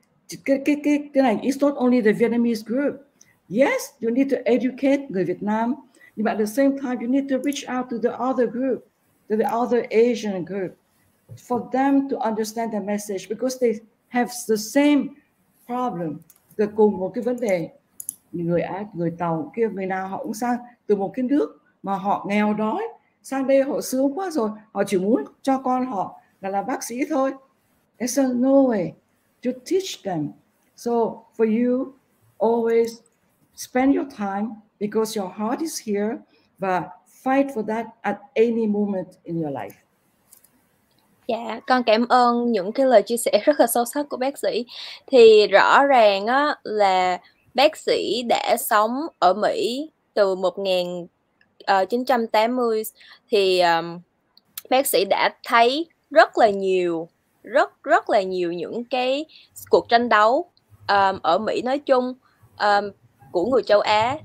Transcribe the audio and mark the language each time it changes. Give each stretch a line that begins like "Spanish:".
English: It's not only the Vietnamese group. Yes, you need to educate the Vietnam, but at the same time, you need to reach out to the other group, to the other Asian group, for them to understand the message, because they have the same problem.
Vietnamese: Cái cùng một cái vấn đề, người Á, người Tàu kia, người nào họ cũng sang từ một cái nước mà họ nghèo đói, sang đây họ sướng quá rồi, họ chỉ muốn cho con họ là làm bác sĩ thôi.
English: It's a no way to teach them. So for you, always spend your time because your heart is here, but fight for that at any moment in your life.
Vietnamese: Dạ, con cảm ơn những cái lời chia sẻ rất là sâu sắc của bác sĩ. Thì rõ ràng á, là bác sĩ đã sống ở Mỹ từ 1980, thì bác sĩ đã thấy rất là nhiều những cái cuộc tranh đấu ở Mỹ nói chung của người châu Á.